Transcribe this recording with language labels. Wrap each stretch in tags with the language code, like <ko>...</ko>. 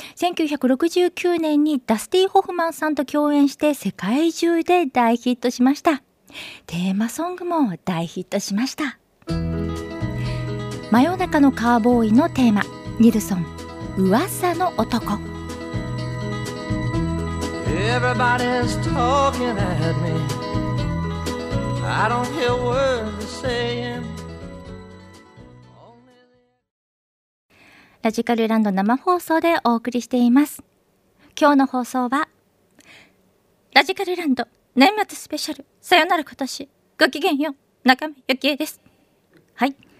<ja>1969年にダスティ・ホフマンさんと共演して世界中で大ヒットしました。テーマソングも大ヒットしました。真夜中のカーボーイのテーマ、ニルソン、噂の男。</ja> <en>Everybody's talking at me. I don't hear words saying.</en> <ja>ラジカルランド生放送でお送りしています。今日の放送は、ラジカルランド年末スペシャル、さよなら今年、ごきげんよう、中身ゆきえです。はい。</ja>